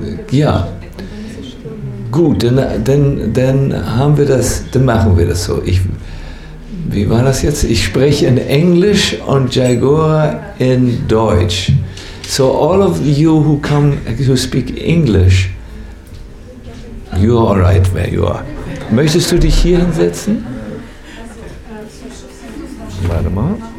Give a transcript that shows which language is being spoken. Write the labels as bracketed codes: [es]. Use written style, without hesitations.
[de] Ja. Gut, dann haben wir das, dann machen wir das so. Wie war das jetzt? Ich spreche in Englisch und Jaigora in Deutsch. [en] So all of you who speak English, you are all right where you are. [de] Möchtest du dich hier hinsetzen? Warte mal.